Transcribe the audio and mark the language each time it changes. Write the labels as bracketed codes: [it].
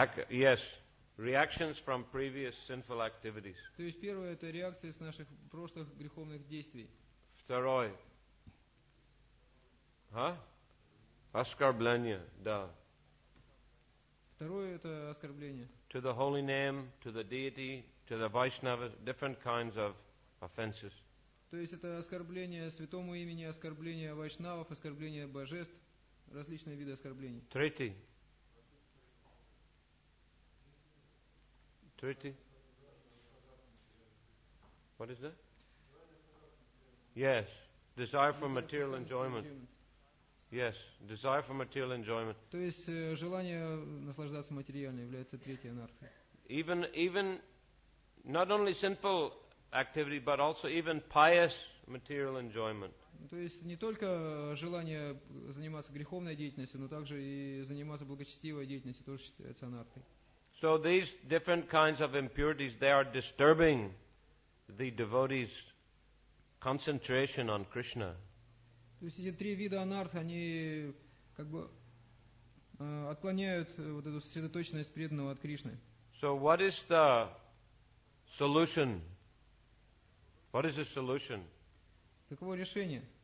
[en] Yes, reactions from previous sinful activities. [ru] То есть первое это реакции с наших прошлых греховных действий. Второе. Оскорбление, да. Второе это оскорбление. [en] To the holy name, to the deity, to the Vaishnavas, different kinds of offenses. [ru] То есть это оскорбление святому имени, оскорбление вайшнавов, оскорбление божеств, различные виды оскорблений. Третье. [en] What is that? Yes, desire for material enjoyment. Yes, desire for material enjoyment. [ru] То есть желание наслаждаться материально является третьей анархией. [en] Even not only sinful activity, but also even pious material enjoyment. [ru] То есть не только желание заниматься греховной деятельностью, но также и заниматься благочестивой деятельностью тоже считается анархией. [en] So these different kinds of impurities, they are disturbing the devotee's concentration on Krishna. [ru] То есть эти три вида анарт, они как бы отклоняют вот эту сосредоточенность преданного от Кришны. [en] So what is the solution? What is the solution? [ru] Каково решение?